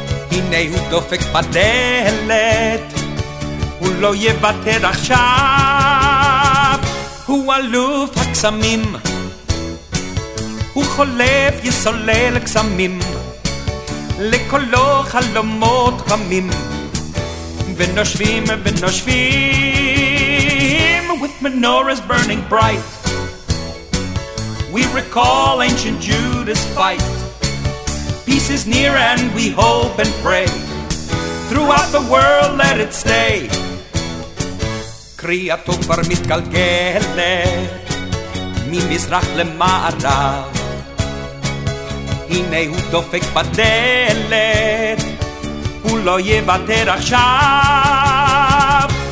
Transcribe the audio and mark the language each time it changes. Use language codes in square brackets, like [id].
[he] הנה הוא דופק בדלת, הוא לא יוותר עכשיו. הוא אלוף הקסמים, הוא חולף יסולל קסמים, לקולו חלומות קמים ונושבים ונושבים. [en] With menorahs burning bright, we recall ancient Judah's fight. Peace is near and we hope and pray, throughout the world let it stay. [he] קריאתו כבר מתגלגלת ממזרח למערב. הנה הוא דופק בדלת, הוא לא יוותר עכשיו.